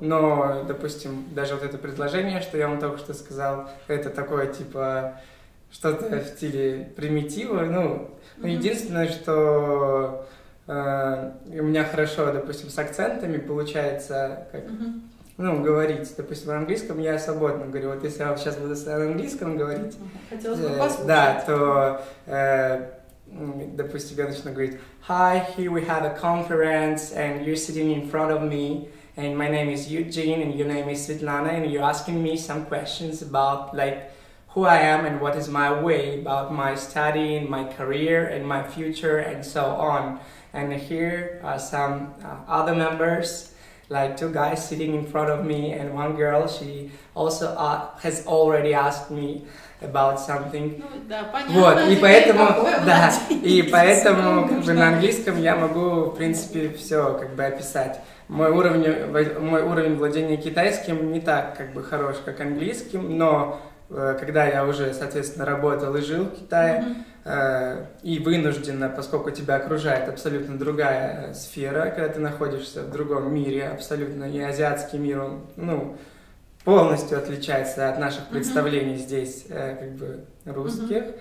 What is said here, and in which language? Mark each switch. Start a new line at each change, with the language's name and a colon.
Russian: Но, допустим, даже вот это предложение, что я вам только что сказал, это такое, типа, что-то в стиле примитива. Ну, mm-hmm. Единственное, что у меня хорошо, допустим, с акцентами получается, как, mm-hmm. ну, говорить. Допустим, на английском я свободно говорю. Вот если я вам сейчас буду на английском говорить... Хотелось бы послушать. Да, то... Допустим, я начну говорить
English: «Hi, here we have a conference, and you're sitting in front of me, and my name is Eugene, and your name is Svetlana, and you're asking me some questions about, like, who I am and what is my way, about my study, and my career, and my future, and so on. And here are some other members, like two guys sitting in front of me, and one girl, she also has already asked me about something».
Russian: Ну, да, понятно. Вот, и поэтому, да, и поэтому, как бы, на английском я могу, в принципе, все, как бы, описать. Мой уровень владения китайским не так, как бы, хорош, как английским, но когда я уже, соответственно, работал и жил в Китае, и вынужденно, поскольку тебя окружает абсолютно другая сфера, когда ты находишься в другом мире абсолютно, и азиатский мир, он, ну, полностью отличается от наших представлений здесь, как бы, русских.